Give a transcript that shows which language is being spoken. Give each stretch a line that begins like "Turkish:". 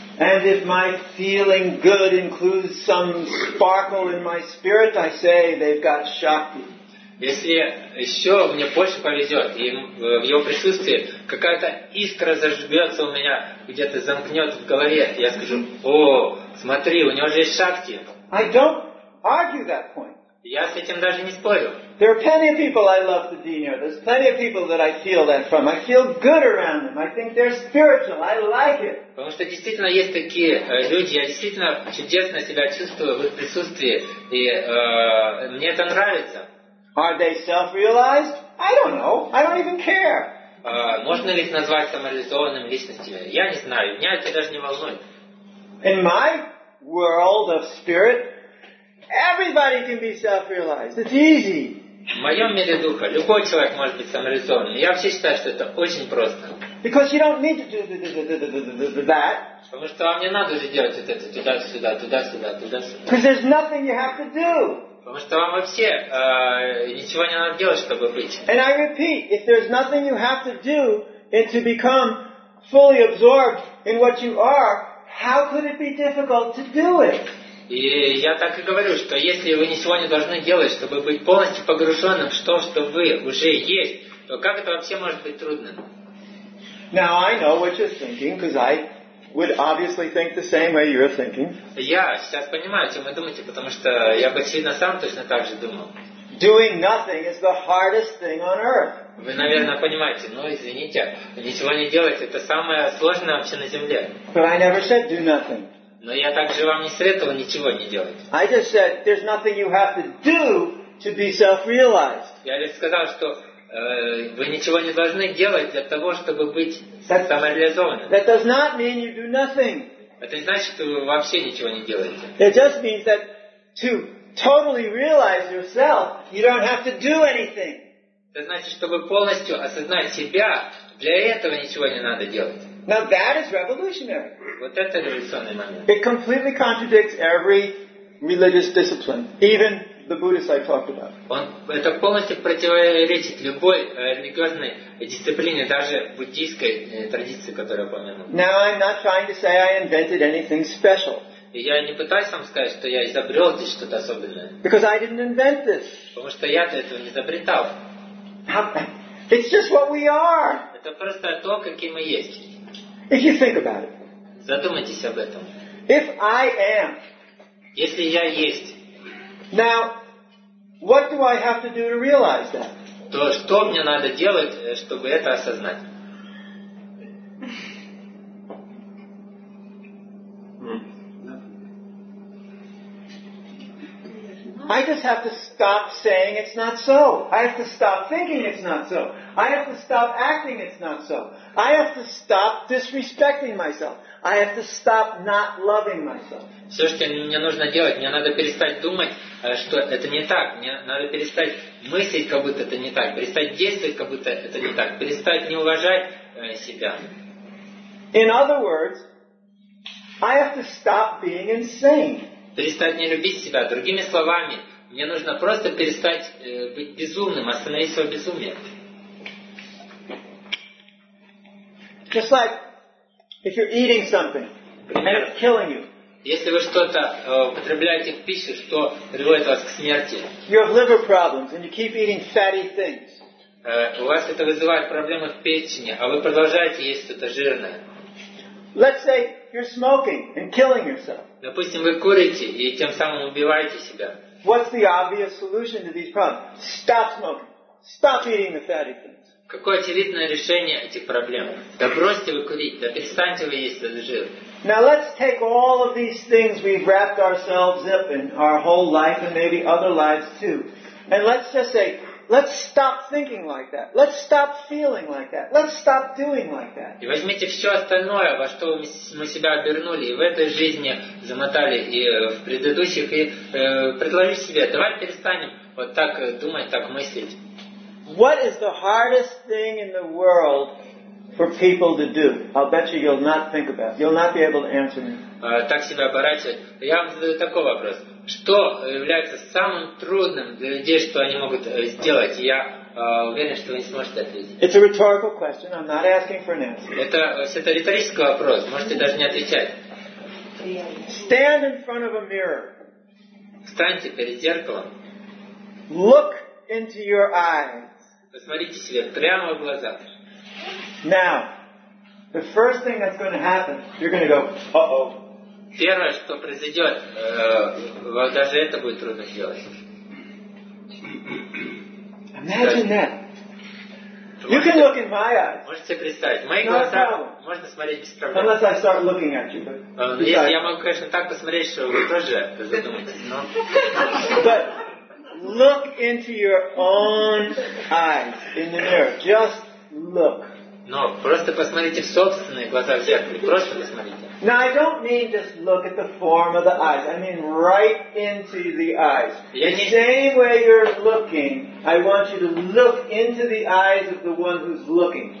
English: And if my feeling good includes some sparkle in my spirit, I say they've got shakti.
Russian: Если еще мне больше повезет, и в его присутствии какая-то искра зажжется у меня, где-то замкнет в голове, я скажу, о, смотри, у него же есть шакти.
English: I don't argue that point.
Russian: Я с этим даже не спорю.
English: There are plenty of people I love to be near. There's plenty of people that I feel that from. I feel good around them. I think they're spiritual. I like it.
Russian: Потому что действительно есть такие люди. Я действительно чудесно себя чувствую в их присутствии. И мне это нравится.
English: Are they self-realized? I don't know. I don't even care.
Russian: Можно ли их назвать самореализованными личностями? Я не знаю. Меня это даже не волнует.
English: In my world of spirit, everybody can be self-realized. It's easy.
Russian: В моем мире духа любой человек может быть самореализованным. Я вообще считаю, что это очень просто.
English: Because you don't need to do that.
Russian: Потому что вам не надо уже делать вот это туда-сюда, туда-сюда, туда-сюда.
English: Because there's nothing you have to do.
Russian: Потому что вам вообще ничего не надо делать, чтобы быть.
English: And I repeat, if there's nothing you have to do and to become fully absorbed in what you are, how could it be difficult to do it?
Russian: И я так и говорю, что если вы ничего не должны делать, чтобы быть полностью погруженным в то, что вы уже есть, то как это вообще может быть трудным?
English: Now I know what you're thinking, because I would obviously think the same way you're thinking.
Russian: Я сейчас понимаю, о чем вы думаете, потому что я бы очевидно сам точно так же думал.
English: Doing nothing is the hardest thing on earth.
Russian: Вы, наверное, понимаете, но извините, ничего не делать — это самое сложное вообще на земле.
English: But I never said do nothing.
Russian: Но я также вам не советовал ничего не делать.
English: I just said there's nothing you have to do to be self-realized.
Russian: Я лишь сказал, что вы ничего не должны делать для того, чтобы быть самореализованным.
English: That does not mean you do nothing.
Russian: Это не значит, что вы вообще ничего не делаете.
English: It just means that to totally realize yourself, you don't have to do anything.
Russian: Это значит, чтобы полностью осознать себя, для этого ничего не надо делать.
English: Now that is revolutionary.
Russian: Вот это революционный момент.
English: It completely contradicts every religious discipline, even the Buddhists I talked about.
Russian: Он это полностью противоречит любой религиозной дисциплине, даже буддийской традиции, которую я упомянул.
English: Now I'm not trying to say I invented anything special.
Russian: Я не пытаюсь вам сказать, что я изобрел здесь что-то особенное.
English: Because I didn't invent this.
Russian: Потому что я-то этого не изобретал.
English: It's just what we are.
Russian: Это просто то, каким мы есть.
English: If you think about it.
Russian: Задумайтесь об этом.
English: If I am.
Russian: Если я есть.
English: Now, what do I have to do to realize that?
Russian: То что мне надо делать, чтобы это осознать?
English: I just have to stop saying it's not so. I have to stop thinking it's not so. I have to stop acting it's not so. I have to stop disrespecting myself. I have to stop not loving myself.
Russian: Все, что мне нужно делать, мне надо перестать думать, что это не так. Мне надо перестать мыслить, как будто это не так. Перестать действовать, как будто это не так. Перестать не уважать себя.
English: In other words, I have to stop being insane.
Russian: Перестать не любить себя. Другими словами, мне нужно просто перестать быть безумным, остановить свое безумие.
English: Just like if you're eating something, and it's killing you.
Russian: Если вы что-то употребляете в пищу, что приводит вас к смерти.
English: You have liver problems and you keep eating fatty things.
Russian: У вас это вызывает проблемы в печени, а вы продолжаете есть что-то жирное.
English: Let's say you're smoking and killing yourself.
Russian: Допустим, вы курите и тем самым убиваете себя.
English: What's the obvious solution to these problems? Stop smoking. Stop eating the fatty things.
Russian: Какое очевидное решение этих проблем? Да бросьте вы курить, да перестаньте вы есть этот жир.
English: Now let's take all of these things we've wrapped ourselves up in our whole life and maybe other lives too. And let's just say, let's stop thinking like that. Let's stop feeling like that. Let's stop doing like that.
Russian: И возьмите все остальное, во что мы себя обернули и в этой жизни замотали, и в предыдущих, и предложите себе, давай перестанем вот так думать, так мыслить.
English: What is the hardest thing in the world for people to do? I'll bet you you'll not think about it. You'll not be able to answer me.
Russian: Так себя оборачивать. Я вам задаю такой вопрос. Что является самым трудным для людей, что они могут сделать? Я уверен, что вы не сможете ответить.
English: It's a rhetorical question. I'm not asking for an answer.
Russian: Это риторический вопрос. Можете даже не отвечать.
English: Stand in front of a mirror.
Russian: Встаньте перед зеркалом.
English: Look into your eyes.
Russian: Посмотрите себе прямо в глаза.
English: Now, the first thing that's going to happen, you're going to go, uh-oh.
Russian: Первое, что произойдет, даже это будет трудно сделать.
English: Imagine that. You can look in my eyes.
Russian: Можете представить. Мои глаза можно смотреть без проблем.
English: Unless I start looking at you.
Russian: Если я могу, конечно, так посмотреть, что вы тоже задумаетесь, но...
English: But look into your own eyes in the mirror. Just look.
Russian: Но просто посмотрите в собственные глаза в зеркале. Просто посмотрите.
English: Now I don't mean just look at the form of the eyes. I mean right into the eyes. The same way you're looking, I want you to look into the eyes of the one who's looking.